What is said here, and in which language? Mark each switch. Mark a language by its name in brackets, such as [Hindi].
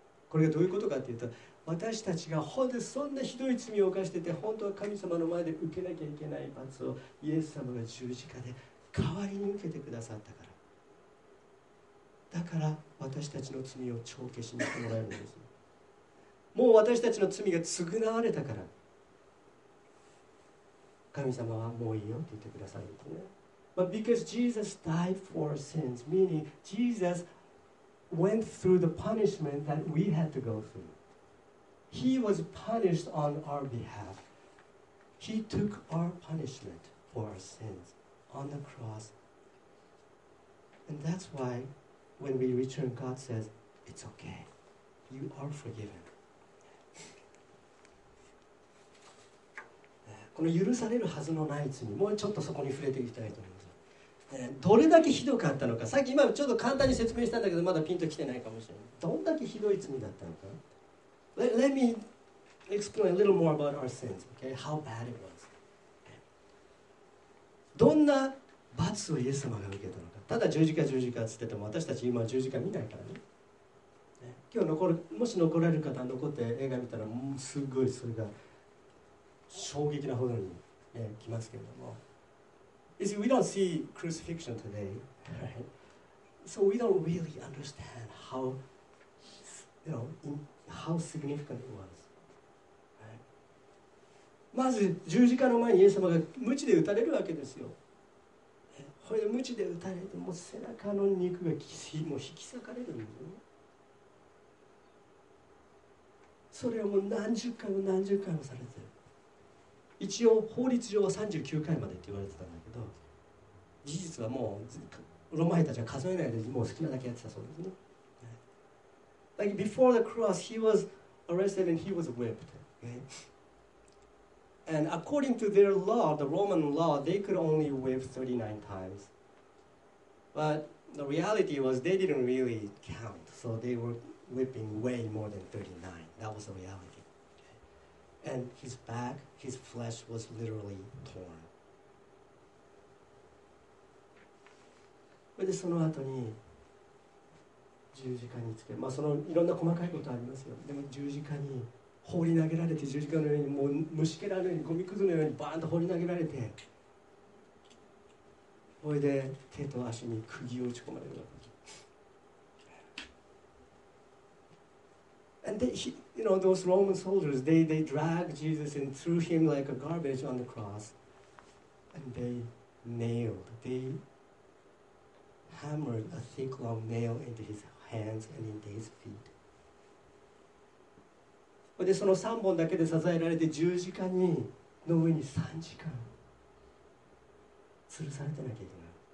[Japanese] これがどういうことかというと、私たちが本当にそんなひどい罪を犯してて、本当は神様の前で受けなきゃいけない罰をイエス様が十字架で代わりに受けてくださったから、だから私たちの罪を帳消しにしてもらえるんです。もう私たちの罪が償われたから、神様はもういいよって言ってくださるんですね。 [English] But because Jesus died for our sins, meaning Jesus went through the punishment that we had to go through. He was punished on our behalf. He took our punishment for our sins on the cross. And that's why when we return, God says, it's okay. You are forgiven. [Japanese] この許されるはずのない罪、もうちょっとそこに触れていきたいと思います。どれだけひどかったのか、さっき今ちょっと簡単に説明したんだけど、まだピンときてないかもしれない。どんだけひどい罪だったのか。 [English] Let me explain a little more about our sins, okay? How bad it was. [Japanese] どんな罰をイエス様が受けたのか。ただ十字架十字架つってても、私たち今十字架見ないからね。今日残る、もし残られる方は残って映画見たら、もうすごいそれが衝撃なほどに、来ますけれども、 [English] You see, we don't see crucifixion today, right? So we don't really understand how, you know, how significant it was. Right? [Japanese] まず十字架の前にイエス様が鞭で打たれるわけですよ。これで鞭で打たれて、もう背中の肉がもう引き裂かれるんですよ。それをもう何十回も何十回もされてる。一応法律上は39回までって言われてたんだけど、事実はもうロマ人たちは数えないで、もう好きなだけやってたそうですね。 [English] Like before the cross, he was arrested and he was whipped. And according to their law, the Roman law, they could only whip 39 times. But The reality was they didn't really count, so they were weeping way more than 39. That was the reality. And his back, his flesh was literally torn. [Japanese] でその後に十字架につけ、まあそのいろんな細かいことありますよ。でも十字架に放り投げられて、十字架のようにもう虫けらのようにゴミくずのようにバーンと放り投げられて、それで手と足に釘を打ち込まれるわけです。 [English] And they, you know, those Roman soldiers, they dragged Jesus and threw him like a garbage on the cross, and they nailed, they hammered a thick long nail into his hands and into his feet. [Japanese] それでその3本だけで支えられて十字架にの上に3時間吊るされてなきゃいけない。